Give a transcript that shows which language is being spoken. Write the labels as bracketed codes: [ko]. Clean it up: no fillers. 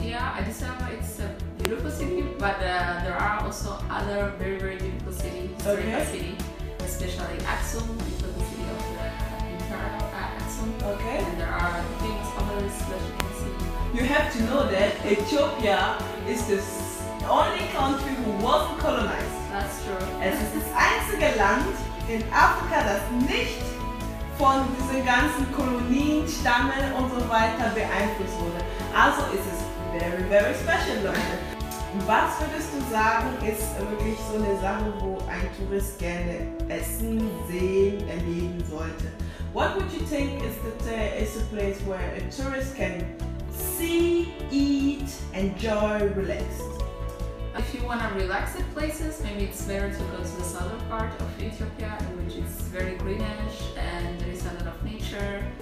[en] Yeah, Addis Abeba is a beautiful city, but there are also other very, very beautiful cities. Okay. City, especially Aksum, the city of the entire Aksum. Okay. And there are famous others that you can see. You have to know that Ethiopia is the only country who wasn't colonized. That's true. [de] Es ist das einzige Land in Afrika, das nicht von diesen ganzen Kolonien, Stämmen und so weiter beeinflusst wurde. Also ist es [en] very, very special, [de] Leute. Was würdest du sagen, ist wirklich so eine Sache, wo ein Tourist gerne essen, sehen, erleben sollte? [en] What would you think is that is a place where a tourist can see, eat, enjoy, relax? If you want to relax at places, maybe it's better to go to the southern part of Ethiopia, which is very greenish and there is a lot of nature.